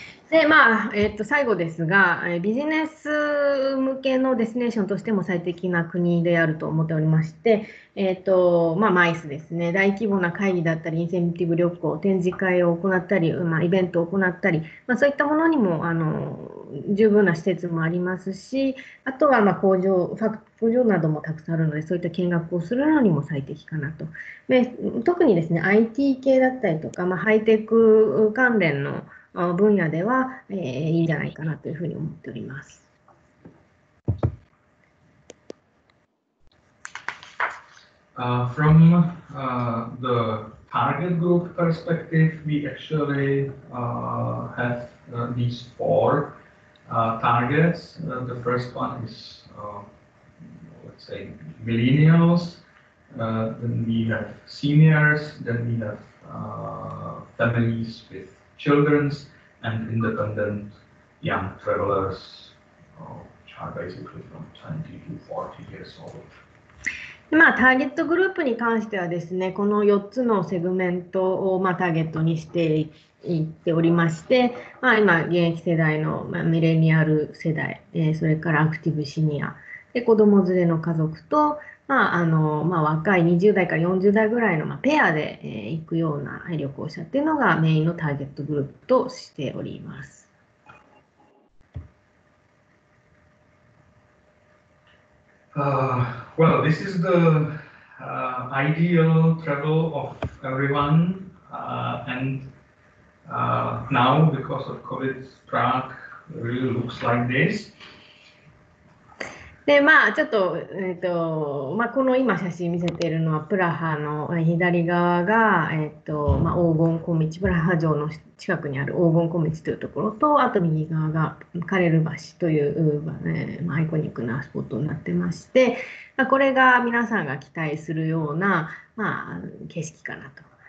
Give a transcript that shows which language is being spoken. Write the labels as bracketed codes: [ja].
[ja] で、まあ、最後ですが、ビジネス向けのデスティネーションとしても最適な国であると思っておりまして、まあ、MICE ですね、大規模な会議だったり、インセンティブ旅行、展示会を行ったり、まあ、イベントを行ったり、まあ、そういったものにも十分な施設もありますし、あとはまあ工場などもたくさんあるので、そういった見学をするのにも最適かなと。特にですね、IT 系だったりとか、まあ、ハイテク関連の分野では、いいんじゃないかなというふうに思っております。 [en] From the target group perspective, we actually have these four targets. The first one is, let's say, millennials, then we have seniors, then we have families with children, and independent young travelers, which are basically from 20 to 40 years old. [ja] まあ、ターゲットグループに関してはですね、この4つのセグメントを、まあ、ターゲットにしていっておりまして、まあ、今、現役世代の、まあ、ミレニアル世代、それからアクティブシニア、で、子供連れの家族と、まあ、若い20代から40代ぐらいの、まあ、ペアで、行くような旅行者っていうのがメインのターゲットグループとしております。 [en] Well, this is the ideal travel of everyone. And now, because of COVID, Prague really looks like this. [ja] で、まあ、ちょっと、まあ、この今写真見せているのはプラハの左側が、まあ、黄金小道、プラハ城の近くにある黄金小道というところと、あと右側がカレル橋という、まあ、アイコニックなスポットになってまして、まあ、これが皆さんが期待するような、まあ、景色かなと。